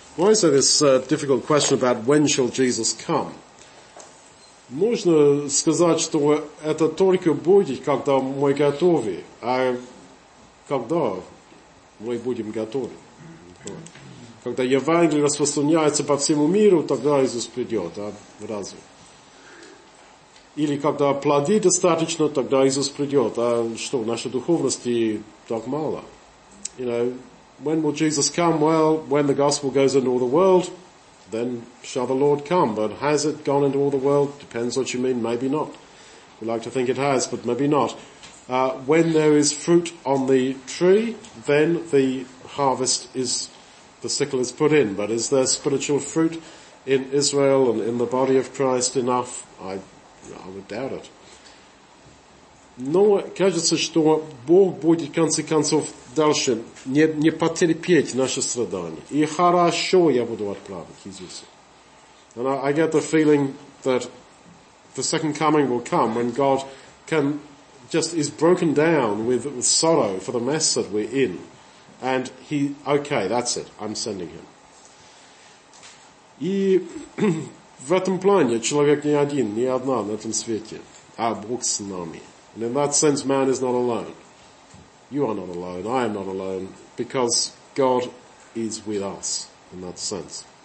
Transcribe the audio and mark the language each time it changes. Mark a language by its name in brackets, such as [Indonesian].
[English] Why is there this difficult question about when shall Jesus come? [Russian] Можно сказать, что это только будет, когда мы готовы. А когда мы будем готовы? Когда Евангелие распространяется по всему миру, тогда Иисус придет. А разве? Или когда плоды достаточно, тогда Иисус придет. А что, нашей духовности так мало? [English] You know, when will Jesus come? Well, when the gospel goes into all the world, then shall the Lord come. But has it gone into all the world? Depends what you mean. Maybe not. We like to think it has, but maybe not. When there is fruit on the tree, then the harvest is, the sickle is put in. But is there spiritual fruit in Israel and in the body of Christ enough? I would doubt it. [Russian] Но кажется, что Бог будет, в конце концов, дальше не потерпеть наши страдания. И хорошо, я буду отправлен к Иисусу. [English] And I get the feeling that the second coming will come when God can just is broken down with sorrow for the mess that we're in. And he, okay, that's it, I'm sending him. [Russian] И в этом плане человек не один, не одна на этом свете, а Бог с нами. [English] And in that sense, man is not alone. You are not alone. I am not alone. Because God is with us in that sense.